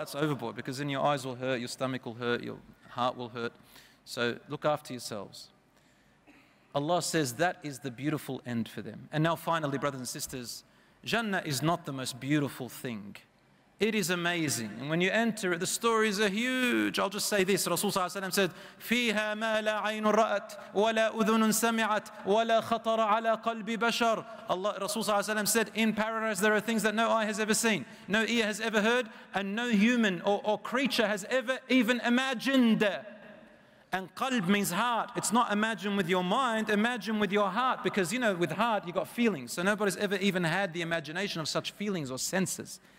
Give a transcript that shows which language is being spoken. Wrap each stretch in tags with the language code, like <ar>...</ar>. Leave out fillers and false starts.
<en>That's overboard, because then your eyes will hurt, your stomach will hurt, your heart will hurt. So look after yourselves. Allah says that is the beautiful end for them. And now finally, brothers and sisters, Jannah is not the most beautiful thing. It is amazing. And when you enter it, the stories are huge. I'll just say this.</en> <ar>Rasulullah said, فِيهَا مَا لَا عَيْنٌ رَأَتْ وَلَا أُذُنٌ سَمِعَتْ وَلَا خَطَرَ عَلَى قَلْبِ بَشَرٍ.</ar> <en>Allah, Rasulullah said, in paradise there are things that no eye has ever seen, no ear has ever heard, and no human or creature has ever even imagined. And qalb means heart. It's not imagine with your mind, imagine with your heart. Because, you know, with heart, you got feelings. So nobody's ever even had the imagination of such feelings or senses.</en>